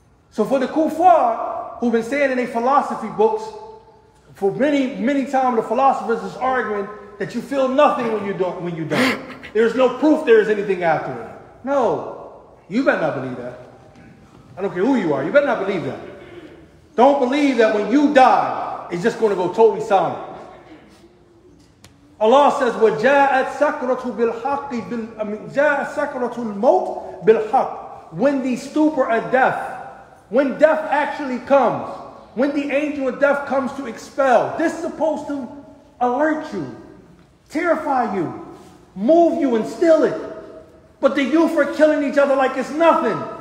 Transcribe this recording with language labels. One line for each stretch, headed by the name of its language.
English: So for the kuffar, who've been saying in their philosophy books, for many, many times the philosophers is arguing that you feel nothing when you die. There's no proof there is anything after it. No, you better not believe that. I don't care who you are, you better not believe that. Don't believe that when you die, it's just going to go totally silent. Allah says,
Arabic: وَجَاءَتْ سَكْرَةُ بِالْحَقِّ جَاءَتْ سَكْرَةُ الْمَوْتِ بِالْحَقِّ.
English: When the stupor of death, when death actually comes, when the angel of death comes to expel, this is supposed to alert you, terrify you. move you, instill it. But the youth are killing each other like it's nothing.